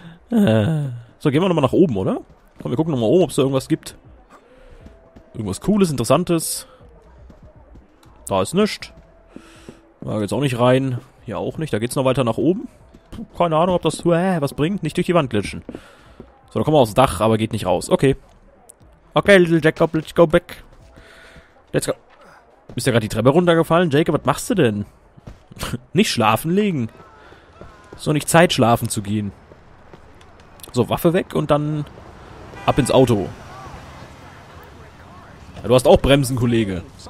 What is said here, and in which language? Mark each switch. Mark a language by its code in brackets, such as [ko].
[de] So, gehen wir nochmal nach oben, oder? Komm, wir gucken nochmal oben, ob es da irgendwas gibt. Irgendwas Cooles, Interessantes. Da ist nichts. Da geht's auch nicht rein. Ja, auch nicht. Da geht's noch weiter nach oben. Puh, keine Ahnung, ob das was bringt. Nicht durch die Wand glitschen. So, da kommen wir aufs Dach, aber geht nicht raus. Okay. [en] Okay, little Jacob, let's go back. Let's go. [de] Ist ja gerade die Treppe runtergefallen. Jacob, was machst du denn? Nicht schlafen legen. Ist doch nicht Zeit, schlafen zu gehen. So, Waffe weg und dann ab ins Auto. Ja, du hast auch Bremsen, Kollege.